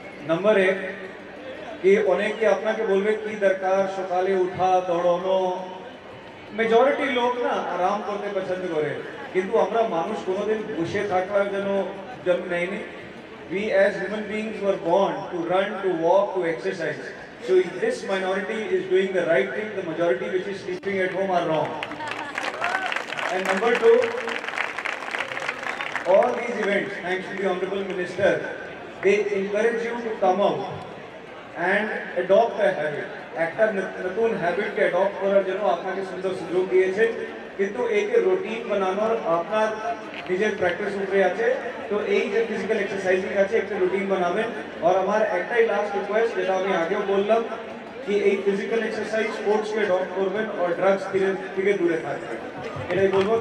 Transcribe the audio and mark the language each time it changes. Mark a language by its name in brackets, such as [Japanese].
[Bangla] নম্বর এক, কি অনেকে আপনাকে বলবে কি দরকার সকালে উঠা দৌড়ানো, মেজরিটি লোক না আরাম করতে পছন্দ করে, কিন্তু আমরা মানুষ কোনোদিন বসে থাকার জন্য জন্ম নেয়নি। [English] We as human beings were born to run, to walk, to exercise, so this minority is doing the right thing, the majority which is sleeping at home are wrong. And number two, all these events, thanks to the Honorable Minister, they encourage you to come out and adopt a habit. [Bangla] একটা নতুন হ্যাবিটকে adopt করার জন্য আপনাকে সুন্দর সুযোগ দিয়েছে, কিন্তু একে রুটিন বানানোর আপনার নিজের প্র্যাকটিস উপরে আছে, তো এই যে ফিজিক্যাল এক্সারসাইজিং আছে একটা রুটিন বানাবেন। আর আমার একটাই লাস্ট রিকোয়েস্ট, যেটা আমি আগেও বললাম, কি এই ফিজিক্যাল এক্সারসাইজ স্পোর্টসকে অ্যাডপ্ট করবেন আর ড্রাগস থেকে দূরে থাকবেন, এটাই বলবো।